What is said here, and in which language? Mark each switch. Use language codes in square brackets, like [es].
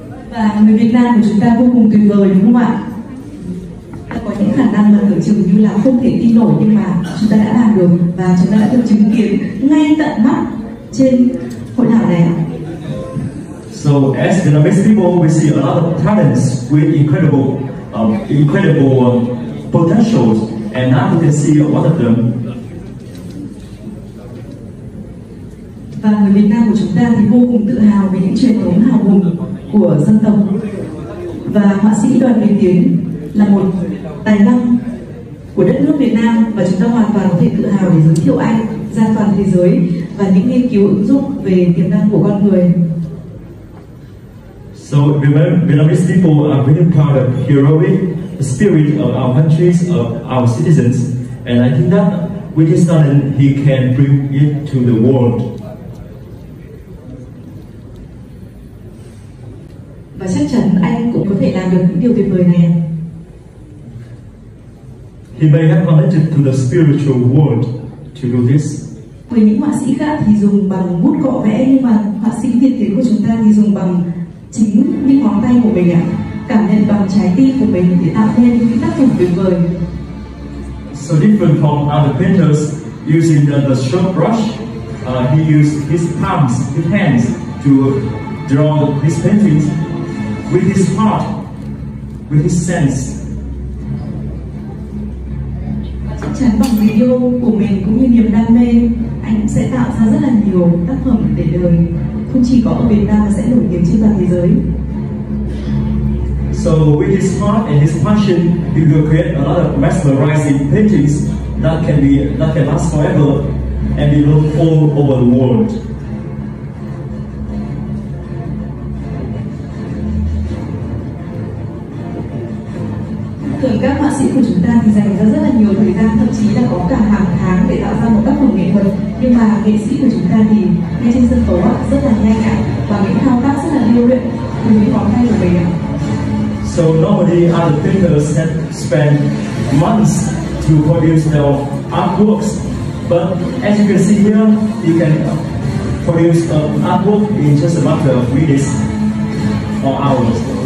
[vi] Và người Việt Nam của chúng ta vô cùng tuyệt vời, đúng không ạ? Khả năng mà tưởng chừng như là không thể tin nổi, nhưng mà chúng ta đã làm được và chúng ta đã được chứng kiến ngay tận mắt trên hội thảo này. [en] So as the Vietnamese people, we see a lot of talents with incredible potentials, and now we can see one of them. [vi] Và người Việt Nam của chúng ta thì vô cùng tự hào về những truyền thống hào hùng của dân tộc, và họa sĩ Đoàn Việt Tiến là một tài năng của đất nước Việt Nam, và chúng ta hoàn toàn có thể tự hào để giới thiệu anh ra toàn thế giới và những nghiên cứu ứng dụng về tiềm năng của con người. [en] So Vietnamese people are very proud of heroic spirit of our countries, of our citizens, and I think that with his talent he can bring it to the world. [vi] Và chắc chắn anh cũng có thể làm được những điều tuyệt vời này. [en] He may have connected to the spiritual world to do this. [vi] Với những họa sĩ khác thì dùng bằng bút cọ vẽ, nhưng mà họa sĩ Việt Tiến của chúng ta thì dùng bằng chính những ngón tay của mình ạ. Cảm nhận bằng trái tim của mình để tạo nên những tác phẩm tuyệt vời. [en] So different from other painters using the sharp brush, he used his palms, his hands to draw his paintings with his heart, with his sense. [vi] Chẳng bằng video của mình cũng như niềm đam mê, anh sẽ tạo ra rất là nhiều tác phẩm để đời, không chỉ có ở Việt Nam mà sẽ nổi tiếng trên toàn thế giới. [en] So with his heart and his passion, he will create a lot of mesmerizing paintings that can last forever and be known all over the world. [vi] Các họa sĩ của chúng ta thì dành ra rất là nhiều thời gian, thậm chí là có cả hàng tháng để tạo ra một tác phẩm nghệ thuật. Nhưng mà nghệ sĩ của chúng ta thì ngay trên sân khấu rất là nhanh nhạy và những thao tác rất là lưu luyện từ những ngón tay của mình. [en] So normally other painters have spent months to produce their artworks, but as you can see here, you can produce an artwork in just a matter of minutes or hours.